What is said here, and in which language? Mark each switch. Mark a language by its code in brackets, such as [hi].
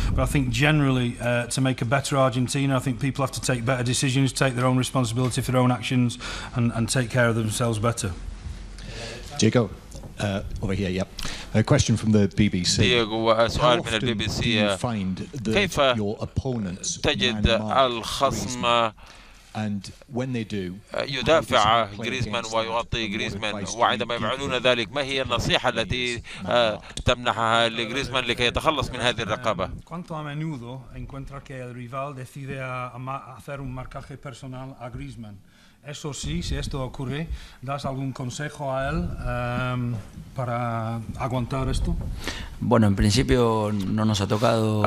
[en] But I think generally, to make a better Argentina, I think people have to take better decisions, take their own responsibility for their own actions, and take care of themselves better. Diego, over here. Yep. A question from the BBC. Diego, how often BBC, do you find that your opponents [ar] تجد الخصم [en] and when they do [ar] يدافع غريزمان ويغطي غريزمان وعندما يفعلون ذلك ما هي النصيحه التي تمنحها لغريزمان لكي يتخلص من هذه الرقابه [es] cuanto a menudo encuentra que el rival decide hacer un marcaje personal a Griezmann eso sí si esto ocurre das algún consejo a él para aguantar esto bueno en principio no nos ha tocado